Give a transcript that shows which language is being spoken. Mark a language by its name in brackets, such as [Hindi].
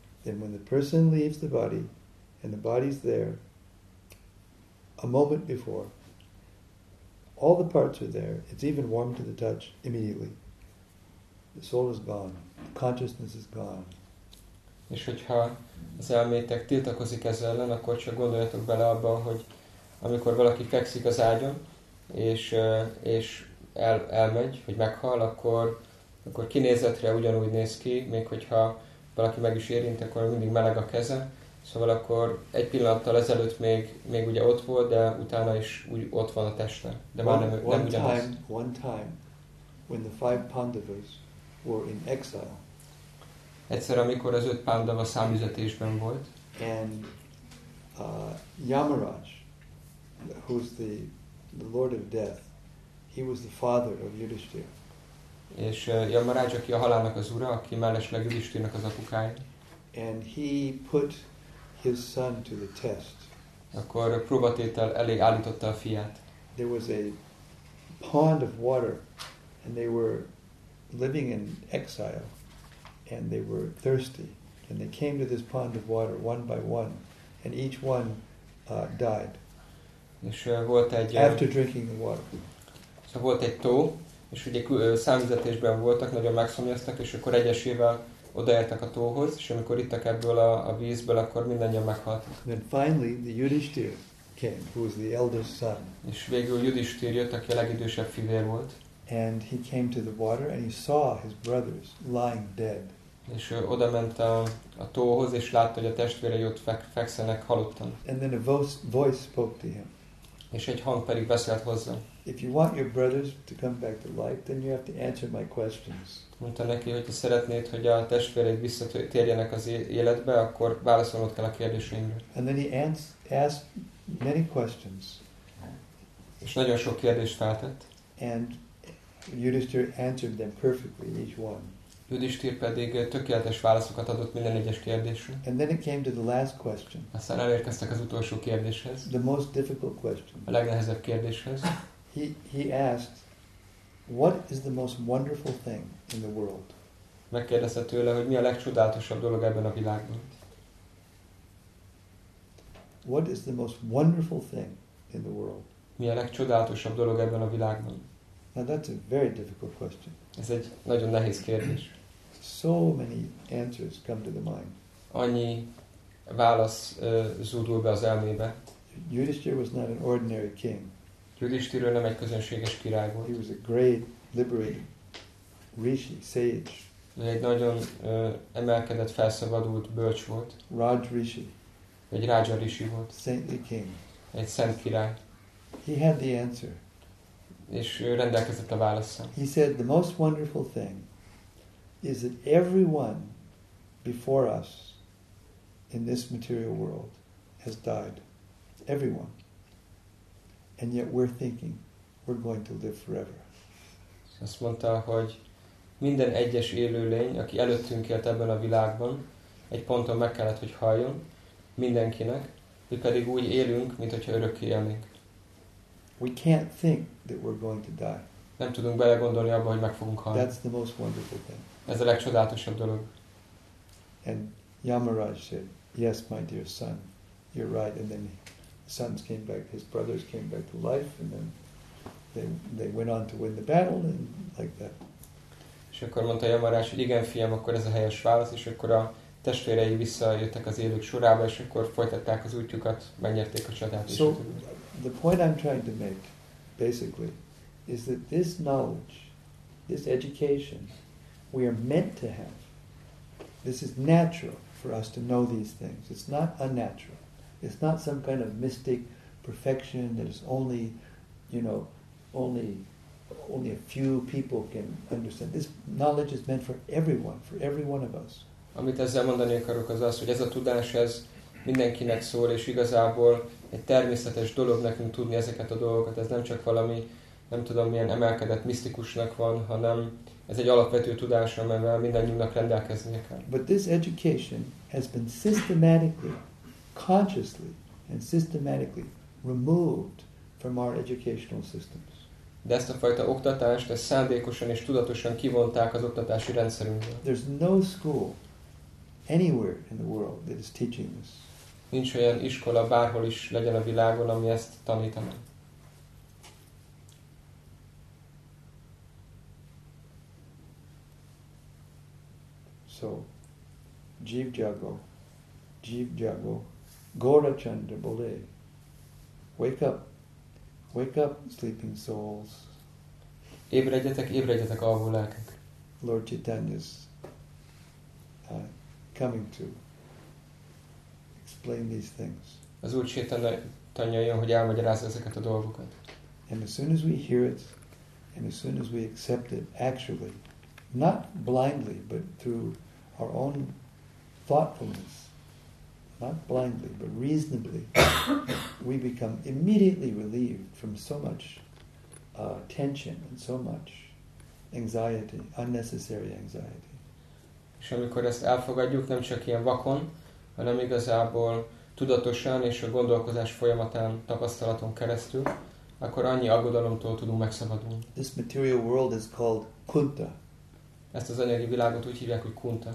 [English] Then when the person leaves the body and the body's there a moment before, all the parts are there, it's even warm to the touch immediately. The soul is gone, the consciousness is gone. [Hungarian] És hogyha az elmétek tiltakozik ezzel ellen, akkor csak gondoljatok bele abban, hogy amikor valaki fekszik az ágyon, és elmegy, hogy meghal, akkor kinézetre ugyanúgy néz ki, még hogyha valaki meg is érint, akkor mindig meleg a keze. Szóval akkor egy pillanattal ezelőtt még ugye ott volt, de utána is úgy ott van a teste. De már nem ugyanaz. [English] One time, when the five Pandavas were in exile. [Hungarian] Egyszer, amikor az öt Pandava számüzetésben volt. [English] And Yamaraj, who's the lord of death, he was the father of Yudhishthira. [Hungarian] És Yamaraj, aki a halálnak az ura, aki mellesleg Yudhishthirának az apukája. [English] And he put his son to the test. [Hungarian] Akkor próbatétel elé állította a fiát. [English] There was a pond of water, and they were living in exile, and they were thirsty. and they came to this pond of water one by one, and each one died. [Hungarian] És volt egy [English] after drinking the water. [Hungarian] So volt egy tó, és ugye számüzetésben voltak, nagyon megszomjaztak, és akkor egyesével odaértek a tóhoz, és amikor ittak ebből a vízből, akkor mindannyian meghaltak. [English] Then finally the Yudhishthira came, who was the eldest son. [Hungarian] És végül Yudhishthira jött, aki a legidősebb fivér volt. [English] And he came to the water and he saw his brothers lying dead. [Hungarian] És oda ment a tóhoz, és látta, hogy a testvérei ott fekszenek halottan. [English] And then a voice spoke to him. [Hungarian] És egy hang pedig beszélt hozzá. [English] If you want your brothers to come back to life, then you have to answer my questions. [Hungarian] Mondta neki, hogy ha szeretnéd, hogy a testvéreid visszatérjenek az életbe, akkor válaszolnod kell a kérdéseimre. [English] And then he asked many questions. [Hungarian] És nagyon sok kérdést feltett. [English] And Yudhishthira answered them perfectly, each one. [Hungarian] Yudhishthira pedig tökéletes válaszokat adott minden egyes kérdésre. [English] And then it came to the last question. [Hungarian] Aztán elérkeztek az utolsó kérdéshez. [English] The most difficult question. [Hungarian] A legnehezebb kérdéshez. [English] He asked, what is the most wonderful thing in the world? [Hungarian] Megkérdezte tőle, hogy mi a legcsodálatosabb dolog ebben a világban. [English] What is the most wonderful thing in the world? [Hungarian] Mi a legcsodálatosabb dolog ebben a világban? [English] Now that's a very difficult question. [Hungarian] Ez egy nagyon nehéz kérdés. [English] So many answers come to the mind. [Hungarian] Annyi válasz zúdul be az elmébe. [English] Yudhishthira was not an ordinary king. [Hungarian] Yudhishthira nem egy közönséges király volt. [English] He was a great liberated rishi, sage. [Hungarian] Egy nagyon emelkedett, felszabadult bölcs volt. [English] Raj rishi. [Hungarian] Egy rádzsa rishi volt. [English] Saintly king. [Hungarian] Egy szent király. [English] He had the answer. [Hungarian] És ő rendelkezett a válaszsal. [English] He said the most wonderful thing is that everyone before us in this material world has died. Everyone. And yet we're thinking we're going to live forever. [Hungarian] Azt mondta, hogy minden egyes élőlény, aki előttünk élt ebben a világban, egy ponton meg kellett, hogy halljon mindenkinek, mi pedig úgy élünk, mint hogyha örökké élnénk. [English] We can't think that we're going to die. [Hungarian] Nem tudunk belegondolni abba, hogy meg fogunk halni. [English] That's the most wonderful thing. [Hungarian] Ez a legcsodálatosabb dolog. [English] And Yamaraj said, yes, my dear son, you're right. And then sons came back, his brothers came back to life, and then they went on to win the battle, and like that. [Hungarian] És akkor mondta Yamaraj, hogy igen, fiam, akkor ez a helyes válasz, és akkor a testvérei visszajöttek az élők sorába, és akkor folytatták az útjukat, megnyerték a csatát. [English] So, the point I'm trying to make, basically, is that this knowledge, this education, we are meant to have. This is natural for us to know these things. It's not unnatural. It's not some kind of mystic perfection that is only, you know, only a few people can understand. This knowledge is meant for everyone of us. [Hungarian] Amit ezzel mondani akarok, az az, hogy ez a tudás, ez mindenkinek szól, és igazából egy természetes dolog nekünk tudni ezeket a dolgokat. Ez nem csak valami, nem tudom, milyen emelkedett misztikusnak van, hanem ez egy alapvető tudás, amivel mindannyiunknak rendelkeznie kell. [English] But this education has been systematically, consciously and systematically removed from our educational systems. [Hungarian] De ezt a fajta oktatást, ezt szándékosan és tudatosan kivonták az oktatási rendszerünkből. [English] There's no school anywhere in the world that is teaching this. [Hungarian] Nincs olyan iskola bárhol is legyen a világon, ami ezt tanítaná. [English] So, [Bangla] Jeev Jago, Gaurachandra Bole, [English] wake up, sleeping souls. [Hungarian] Ébredjetek, alvó lelkek. [English] Lord Chaitanya's coming to explain these things. [Hungarian] Az Úr Chaitanya jön, hogy elmagyarázza ezeket a dolgokat. [English] And as soon as we hear it, and as soon as we accept it, actually, not blindly, but through our own thoughtfulness, not blindly, but reasonably, we become immediately relieved from so much tension and so much anxiety, unnecessary anxiety. [Hungarian] És amikor ezt elfogadjuk, nem csak ilyen vakon, hanem igazából tudatosan és a gondolkozás folyamatán, tapasztalaton keresztül, akkor annyi aggodalomtól tudunk megszabadulni. [English] This material world is called Kunta. [Hungarian] Ezt az anyagi világot úgy hívják, hogy Kunta.